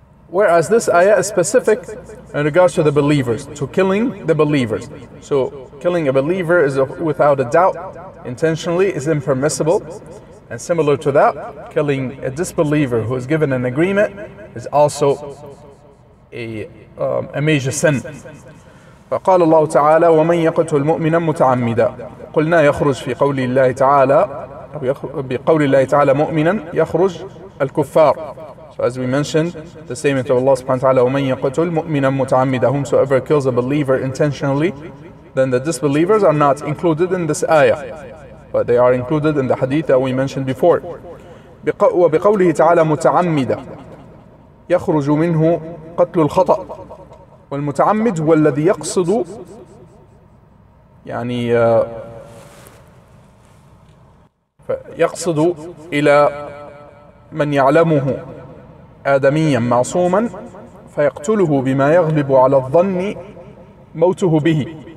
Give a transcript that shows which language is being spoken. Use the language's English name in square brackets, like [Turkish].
[English] Whereas this ayah is specific in regards to the believers, to killing the believers. So killing a believer is without a doubt, intentionally, is impermissible. And similar to that, killing a disbeliever who is given an agreement is also a major sin. [Arabic] فقال الله تعالى ومن يقتل مؤمنا متعمدا قلنا يخرج في قول الله تعالى بقول الله تعالى مؤمنا يخرج الكفار. [English] So as we mentioned, the statement of Allah subhanahu wa ta'ala, [Arabic] وَمَنْ يَقْتُلْ مُؤْمِنًا مُتَعَمِّدًا, [English] whomsoever kills a believer intentionally, then the disbelievers are not included in this ayah. But they are included in the hadith that we mentioned before. [Arabic] وَبِقَوْلِهِ تَعَالَى مُتَعَمِّدًا يَخْرُجُ مِنْهُ قَتْلُ الْخَطَأِ وَالْمُتَعَمِّدُ وَالَّذِي يَقْصُدُ يعني يقصد إلى من يعلمه آدميا معصوما فيقتله بما يغلب على الظن موته به.